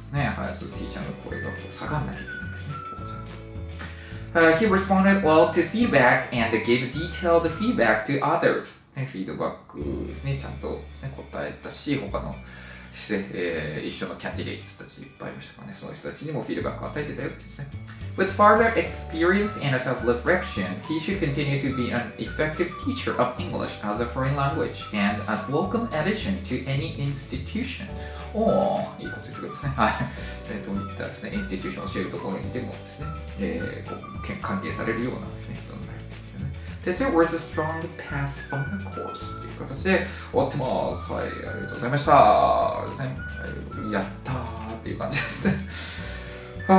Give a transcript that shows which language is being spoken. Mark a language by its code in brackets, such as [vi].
[ja] ね、はい、そのティーチャーの声が下がんなきゃいけないんですね。 [en] He responded well to feedback and gave detailed feedback to others. [ja] ね、フィードバックですね、ちゃんとですね、答えたし、他の、一緒のキャンディレイツたちいっぱいいましたからね、その人たちにもフィードバックを与えてたよってですね。 [en] With further experience and self-reflection, he should continue to be an effective teacher of English as a foreign language and a welcome addition to any institution. [ja] おー、いいこと言ってくれますね。はい。どういったですね、インスティテューションを教えるところにでもですね、歓迎されるようなですね、人になるんですね。 [en] This was a strong pass on the course [ja] っていう形で終わってます。はい、ありがとうございました。ですね、やったーっていう感じですね。